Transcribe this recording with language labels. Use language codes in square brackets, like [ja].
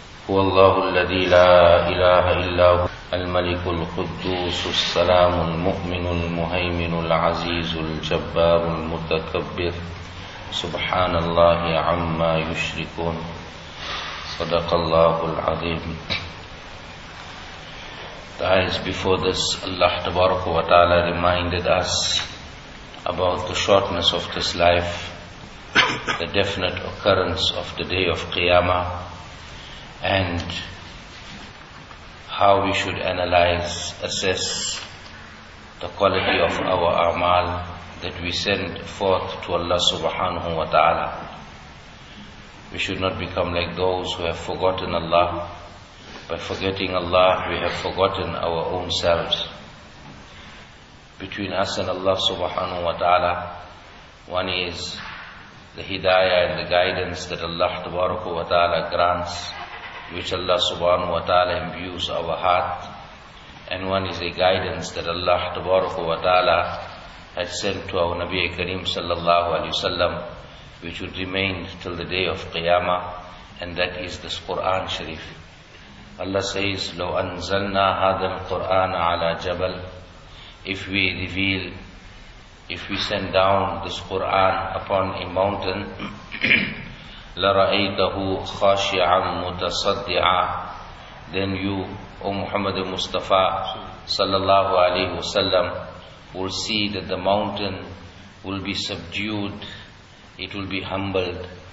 [ar] هو الله الذي لا إله إلا هو الملك القدوس السلام المؤمن المهيمن العزيز الجبار المتكبر سبحان الله عما يشركون. صدق الله العظيم. [en] Guys, before this, Allah tabaraka wa ta'ala reminded us about the shortness of this life, the definite occurrence of the day of Qiyamah, and how we should analyze, assess the quality of our a'mal that we send forth to Allah subhanahu wa ta'ala. We should not become like those who have forgotten Allah. By forgetting Allah, we have forgotten our own selves. Between us and Allah subhanahu wa ta'ala, one is the hidayah and the guidance that Allah tabaraka wa ta'ala grants, which Allah subhanahu wa ta'ala imbues our heart. And one is a guidance that Allah tabaraka wa ta'ala has sent to our Nabi Kareem sallallahu alayhi wa sallam, which would remain till the day of Qiyamah, and that is this Qur'an Sharif. Allah says, [ar] لَوْ أَنزَلْنَا هَذَا الْقُرْآنَ عَلَى جَبَلٍ. [en] If we reveal, if we send down this Qur'an upon a mountain, [ar] لَرَأَيْتَهُ خَاشِعًا مُتَصَدِّعًا, [en] then you, O Muhammad Mustafa sallallahu alayhi wa sallam, will see that the mountain will be subdued, it will be humbled.